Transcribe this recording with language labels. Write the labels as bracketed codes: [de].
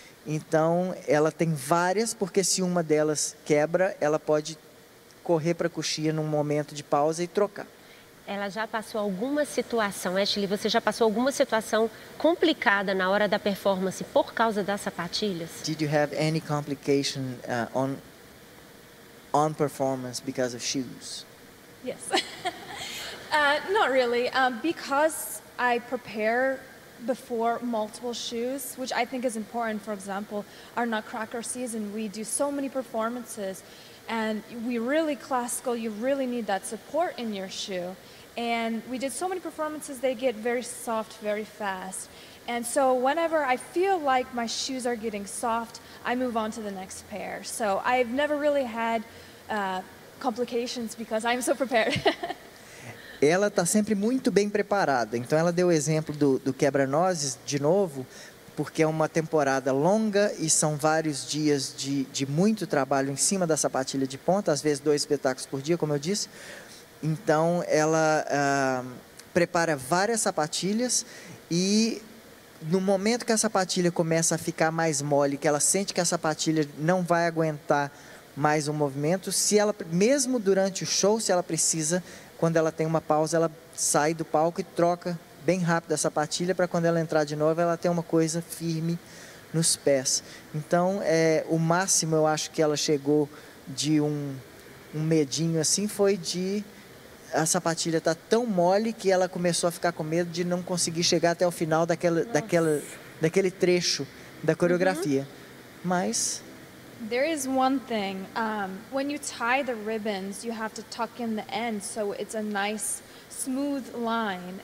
[pt] Então, ela tem várias, porque se uma delas quebra, ela pode correr para a coxia num momento de pausa e trocar. Ela já passou alguma situação, Ashley, você já passou alguma situação complicada na hora da performance por causa das sapatilhas? [en] Did you have any complication on performance because of shoes? Yes. not really. Because I prepare before multiple shoes, which I think is important. For example, our Nutcracker season, we do so many performances and we really classical, you really need that support in your shoe. And we did so many performances, they get very soft, very fast. And so whenever I feel like my shoes are getting soft, I move on to the next pair. So I've never really had complications because I'm so prepared. [pt] Ela está sempre muito bem preparada. Então, ela deu o exemplo do quebra-nozes de novo, porque é uma temporada longa e são vários dias de muito trabalho em cima da sapatilha de ponta, às vezes dois espetáculos por dia, como eu disse. Então, ela prepara várias sapatilhas e no momento que a sapatilha começa a ficar mais mole, que ela sente que a sapatilha não vai aguentar mais um movimento, se ela, mesmo durante o show, se ela precisa, quando ela tem uma pausa, ela sai do palco e troca bem rápido a sapatilha para quando ela entrar de novo, ela ter uma coisa firme nos pés. Então, o máximo, eu acho, que ela chegou de um medinho assim, foi de a sapatilha tá tão mole que ela começou a ficar com medo de não conseguir chegar até o final daquele trecho da coreografia. Uhum. Mas [en] there is one thing. When you tie the ribbons, you have to tuck in the end so it's a nice, smooth line.